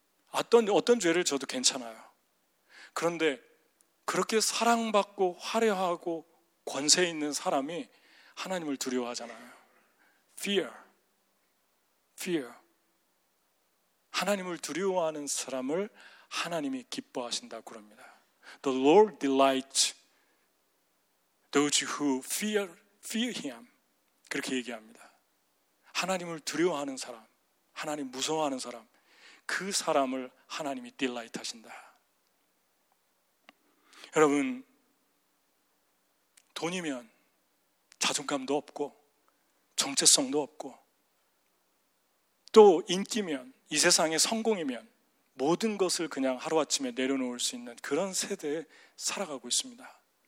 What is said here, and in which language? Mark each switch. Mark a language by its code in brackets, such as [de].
[ko] 어떤 죄를 져도 괜찮아요. 그런데 그렇게 사랑받고 화려하고 권세 있는 사람이 하나님을 두려워하잖아요. [en] Fear. Fear. [ko] 하나님을 두려워하는 사람을 하나님이 기뻐하신다고 그럽니다. [en] The Lord delights those who fear him. [ko] 그렇게 얘기합니다. 하나님을 두려워하는 사람, 하나님 무서워하는 사람, 그 사람을 하나님이 delight 하신다. 여러분, 돈이면 자존감도 없고 정체성도 없고 또 인기면 이 세상의 성공이면 모든 것을 그냥 하루아침에 내려놓을 수 있는 그런 세대에 살아가고 있습니다.